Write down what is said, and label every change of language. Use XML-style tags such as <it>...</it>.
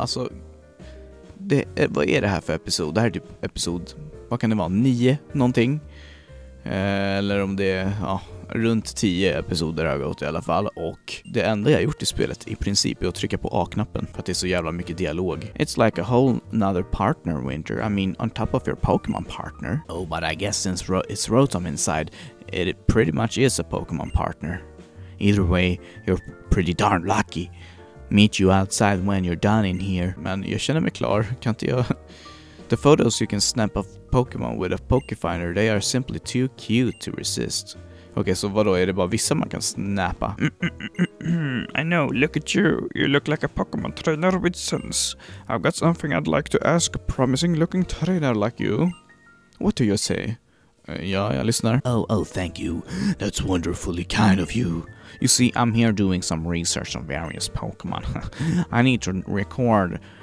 <sv>Alltså, vad är det här för episod? Det här är typ episod... Vad kan det vara? 9 någonting? Eller om det är runt 10 episoder har gått i alla fall. Och det enda jag gjort i spelet i princip är att trycka på A-knappen. För att det är så jävla mycket dialog.</sv> <en>It's like a whole nother partner, Winter. I mean, on top of your Pokemon partner. Oh, but I guess since it's Rotom inside, it pretty much is a Pokemon partner. Either way, you're pretty darn lucky. Meet you outside when you're done in here.</en> <sv>Men jag känner mig klar, kan inte jag...</sv> <en>The photos you can snap of Pokemon with a Pokefinder, they are simply too cute to resist.</en> <sv>Okay, so vadå, är det bara vissa man kan snappa?</sv> <en>I know, look at you. You look like a Pokemon trainer with sense. I've got something I'd like to ask a promising looking trainer like you. What do you say?</en> <sv>Jag lyssnar.</sv> <en>Oh, thank you. That's wonderfully kind of you. You see, I'm here doing some research on various Pokemon. I need to record...</en>